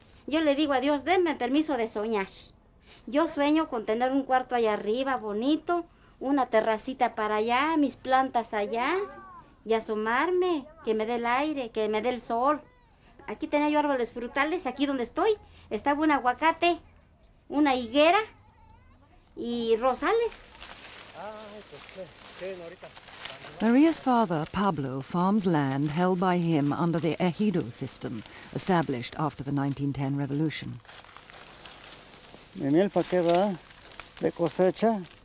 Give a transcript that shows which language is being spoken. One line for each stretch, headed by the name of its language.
Spanish: Yo le digo a Dios, denme permiso de soñar. Yo sueño con tener un cuarto allá arriba, bonito, una terracita para allá, mis plantas allá. Y asomarme, que me dé el aire, que me dé el sol. Aquí tenía yo árboles frutales, aquí donde estoy, estaba un aguacate, una higuera y rosales.
English: Maria's father, Pablo, farms land held by him under the ejido system, established after the 1910 revolution.
Spanish: Mi milpa queda de cosecha.